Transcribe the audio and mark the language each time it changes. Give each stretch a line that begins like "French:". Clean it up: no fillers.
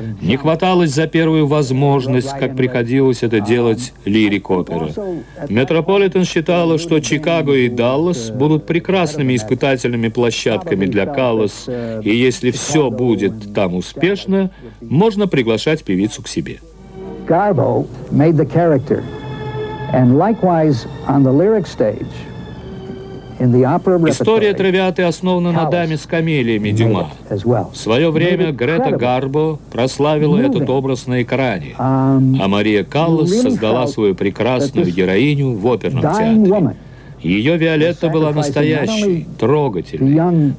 Russian: Не хваталось за первую возможность, как приходилось это делать «Лирик Опера». Метрополитен считала, что Чикаго и Даллас будут прекрасными испытательными площадками для «Каллас», и если все будет там успешно, можно приглашать певицу к себе.
English: Garbo made the character. And likewise on the lyric stage, in the opera repertoire,
Russian: история «Травиаты» основана на даме с камелиями Дюма. В свое время Грета Гарбо прославила этот образ на экране, а Мария Каллас создала свою прекрасную героиню в оперном театре. Ее Виолетта была настоящей, трогательной.